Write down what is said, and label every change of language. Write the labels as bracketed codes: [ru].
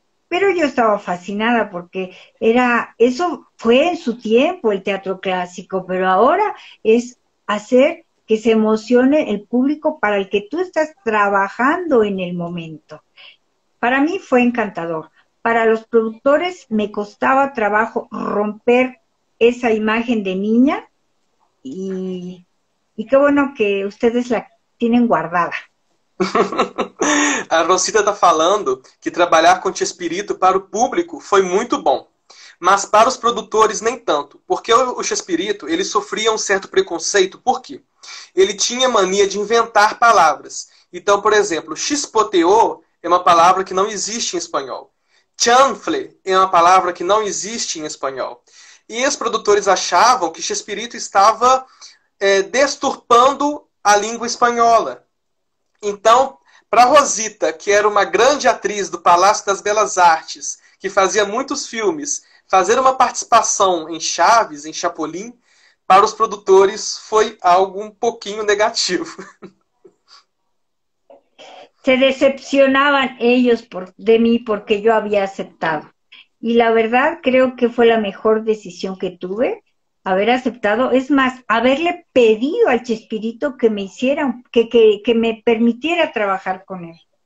[es] Pero yo estaba fascinada porque eso fue en su tiempo el teatro clásico, pero ahora es hacer que se emocione el público para el que tú estás trabajando en el momento. Para mí fue encantador. Para los productores me costaba trabajo romper esa imagen de niña y qué bueno que ustedes la tienen guardada. [pt] A Rosita está falando que trabalhar com Chespirito para o público foi muito bom, mas para os produtores nem tanto, porque o Chespirito, ele sofria um certo preconceito, por quê? Ele tinha mania de inventar palavras. Então, por exemplo, xpoteô é uma palavra que não existe em espanhol. Chanfle é uma palavra que não existe em espanhol. E os produtores achavam que Chespirito estava deturpando a língua espanhola. Então, para Rosita, que era uma grande atriz do Palácio das Belas Artes, que fazia muitos filmes, fazer uma participação em Chaves, em Chapolin, para os produtores foi algo um pouquinho negativo. [es] Se decepcionaban ellos de mí porque yo había aceptado. Y la verdad, creo que fue la mejor decisión que tuve, haber aceptado. Es más, haberle pedido al Chespirito que me hiciera, que me permitiera trabajar con él.